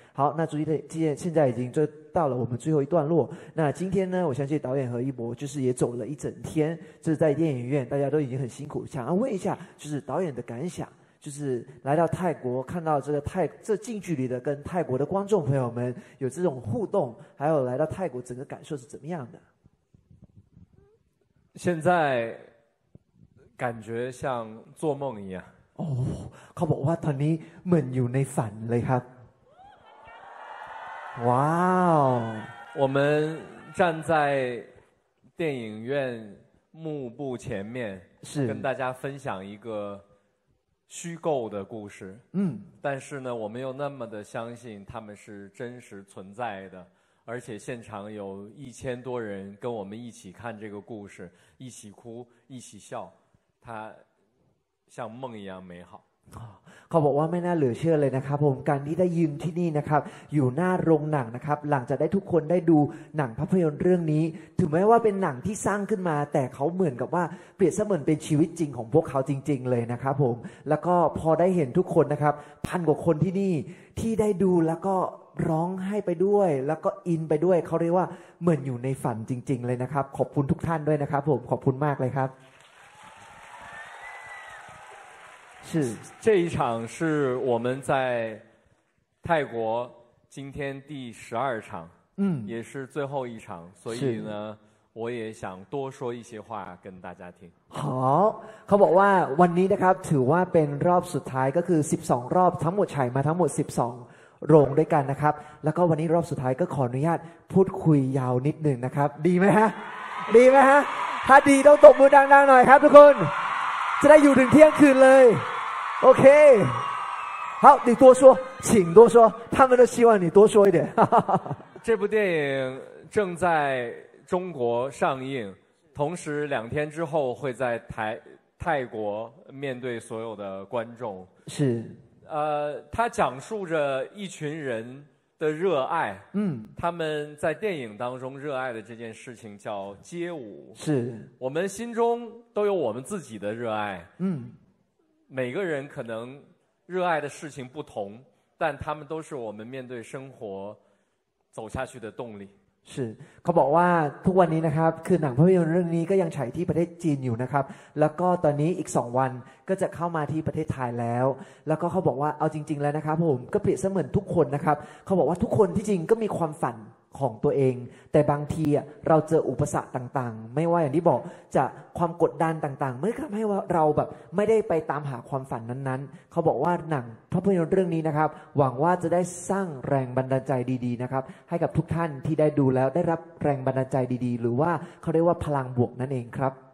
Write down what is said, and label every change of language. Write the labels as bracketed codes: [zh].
[zh] 好那最近现在已经就到了我们最后一段落那今天呢我相信导演何一博就是也走了一整天就是在电影院大家都已经很辛苦想要问一下就是导演的感想就是来到泰国看到这个这近距离的跟泰国的观众朋友们有这种互动还有来到泰国整个感受是怎么样的现在感觉像做梦一样 [th] 哦ขาบอกว่าตอนนี้เหมือนอยู่ในฝันเลยครับว้าว [zh] 我们站在电影院幕布前面是跟大家分享一个虚构的故事嗯但是呢我们又那么的相信他们是真实存在的而且现场有1000多人跟我们一起看这个故事一起哭一起笑它像梦一样美好 [th] เขาบอกว่าไม่น่าเหลือเชื่อเลยนะครับผมการที่ได้ยืนที่นี่นะครับอยู่หน้าโรงหนังนะครับหลังจากได้ทุกคนได้ดูหนังภาพยนตร์เรื่องนี้ถึงแม้ว่าเป็นหนังที่สร้างขึ้นมาแต่เขาเหมือนกับว่าเปรียบเสมือนเป็นชีวิตจริงของพวกเขาจริงๆเลยนะครับผมแล้วก็พอได้เห็นทุกคนนะครับพันกว่าคนที่นี่ที่ได้ดูแล้วก็ร้องไห้ไปด้วยแล้วก็อินไปด้วยเขาเรียกว่าเหมือนอยู่ในฝันจริงๆเลยนะครับขอบคุณทุกท่านด้วยนะครับผมขอบคุณมากเลยครับ [zh] 是这一场是我们在泰国今天第12场嗯也是最后一场所以呢我也想多说一些话跟大家听 [th] 好เขาบอกว่าวันนี้นะครับถือว่าเป็นรอบสุดท้ายก็คือ12 รอบทั้งหมดฉายมาทั้งหมด12โรงด้วยกันนะครับแล้วก็วันนี้รอบสุดท้ายก็ขออนุญาตพูดคุยยาวนิดหนึ่งนะครับดีไหมฮะดีไหมฮะถ้าดีต้องตบมือดังๆหน่อยครับทุกคนจะได้อยู่ถึงเที่ยงคืนเลยโอเค [zh] 好你多说请多说他们都希望你多说一点这部电影正在中国上映同时2天之后会在泰国面对所有的观众是他讲述着一群人的热爱嗯他们在电影当中热爱的这件事情叫街舞是我们心中都有我们自己的热爱嗯每个人可能热爱的事情不同但他们都是我们面对生活走下去的动力 [th] 是เขาบอกว่าทุกวันนี้นะครับคือหนังภาพยนตร์เรื่องนี้ก็ยังฉายที่ประเทศจีนอยู่นะครับแล้วก็ตอนนี้อีก2 วันก็จะเข้ามาที่ประเทศไทยแล้วแล้วก็เขาบอกว่าเอาจริงๆแล้วนะครับผมก็เปรียบเสมือนทุกคนนะครับเขาบอกว่าทุกคนที่จริงก็มีความฝัน ของตัวเองแต่บางทีเราเจออุปสรรคต่างๆไม่ว่าอย่างที่บอกจะความกดดันต่างๆไม่ทำให้เราแบบไม่ได้ไปตามหาความฝันนั้นๆเขาบอกว่าหนังภาพยนตร์เรื่องนี้นะครับหวังว่าจะได้สร้างแรงบันดาลใจดีๆนะครับให้กับทุกท่านที่ได้ดูแล้วได้รับแรงบันดาลใจดีๆหรือว่าเขาเรียกว่าพลังบวกนั่นเองครับ